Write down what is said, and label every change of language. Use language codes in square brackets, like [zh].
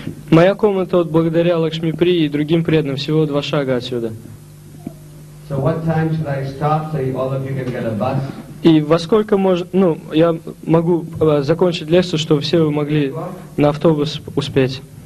[ru] Моя комната вот благодаря Лакшми При и другим преданным всего два шага отсюда. [en] So what time should I stop so all of you can get a bus? [ru] И во сколько я могу закончить лекцию, чтобы все вы могли на автобус успеть?